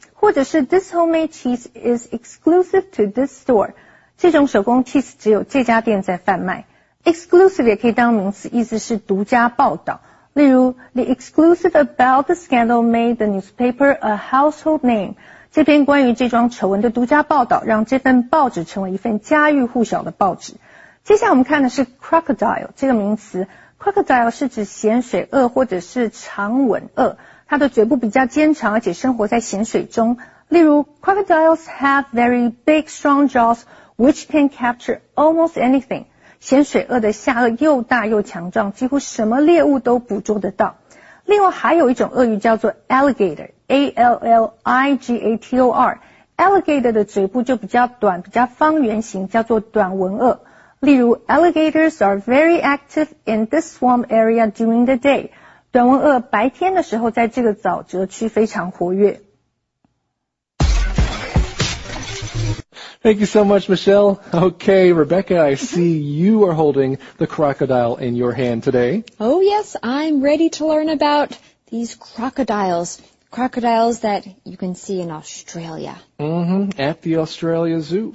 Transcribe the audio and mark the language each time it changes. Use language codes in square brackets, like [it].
[zh] 或者是 [en] ,this homemade cheese is exclusive to this store. [zh] 这种手工 cheese 只有这家店在贩卖。Exclusive 也可以当名词，意思是独家报道。例如 [en] ,the exclusive about the scandal made the newspaper a household name. [zh] 这篇关于这桩丑闻的独家报道让这份报纸成为一份家喻户晓的报纸。接下来我们看的是 crocodile 这个名词。crocodile 是指咸水鳄或者是长吻鳄。它的嘴部比较尖长而且生活在咸水中。例如 [en] ,crocodiles have very big strong jaws which can capture almost anything. [zh] 咸水鳄的下颚又大又强壮几乎什么猎物都捕捉得到。另外还有一种鳄鱼叫做 alligator,A-L-L-I-G-A-T-O-R。 alligator 的嘴部就比较短比较方圆形叫做短吻鳄。例如 [en] ,alligators are very active in this swamp area during the day. [zh] 短吻鳄白天的时候在这个沼泽区非常活跃。 [en] Thank you so much, Michelle. Okay, Rebecca, I see you are holding the crocodile in your hand today. Oh, yes, I'm ready to learn about these crocodiles. Crocodiles that you can see in Australia. Mm-hmm, at the Australia Zoo.